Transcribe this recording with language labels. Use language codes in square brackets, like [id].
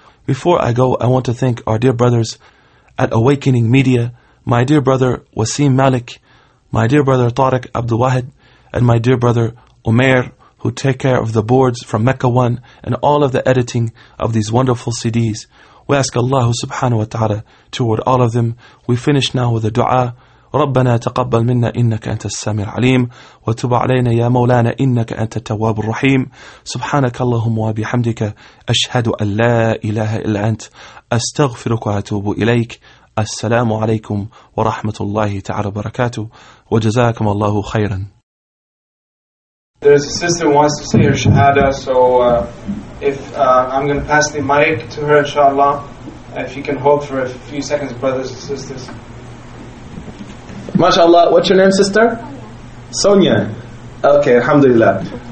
[en] Before I go, I want to thank our dear brothers at Awakening Media, my dear brother Wasim Malik, my dear brother Tariq Abdul Wahid, and my dear brother Umair, who take care of the boards from Mecca One and all of the editing of these wonderful CDs. We ask Allah subhanahu wa ta'ala toward all of them. We finish now with a dua. [ar] ربنا تقبل منا إنك أنت السميع العليم وتب علينا يا مولانا إنك أنت التواب الرحيم سبحانك اللهم وبحمدك أشهد أن لا إله إلا أنت أستغفرك وأتوب إليك السلام عليكم ورحمة الله تعالى وبركاته وجزاكم الله خيرا. [en] There's a sister who wants to say her shahada, so I'm going to pass the mic to her, inshallah. If you can hold for a few seconds, brothers and sisters. MashaAllah, what's your name, sister? Sonia. Okay, alhamdulillah.